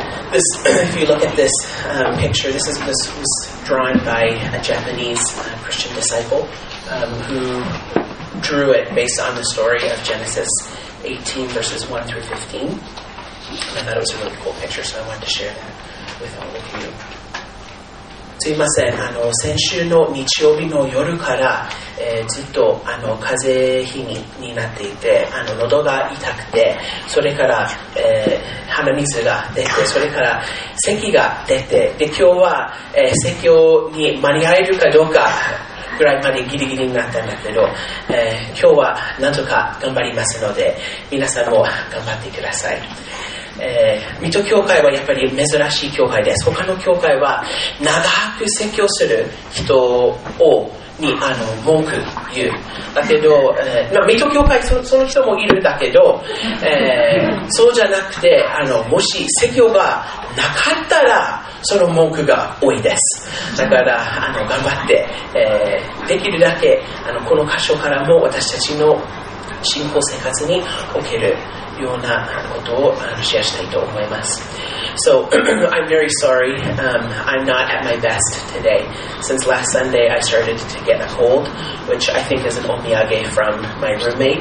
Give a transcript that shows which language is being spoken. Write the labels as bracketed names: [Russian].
[English] This, if you look at this picture, this was drawn by a Japanese Christian disciple who drew it based on the story of Genesis 18 verses 1 through 15. And I thought it was a really cool picture, so I wanted to share that with all of you. [Japanese] すいません。先週の日曜日の夜から、ずっと風邪ひきになっていて、喉が痛くて、それから、鼻水が出て、それから咳が出て、で今日は、説教に間に合えるかどうかぐらいまでギリギリになったんだけど、今日はなんとか頑張りますので、皆さんも頑張ってください。水戸教会はやっぱり珍しい教会です。他の教会は長く説教する人をに文句言う。だけど、水戸教会その人もいるだけど、そうじゃなくて、もし説教がなかったらその文句が多いです。だから頑張って、できるだけこの箇所からも私たちの信仰生活におけるようなことをシェアしたいと思います。 [English] So, I'm very sorry. I'm not at my best today. Since last Sunday, I started to get a cold, which I think is an omiyage from my roommate.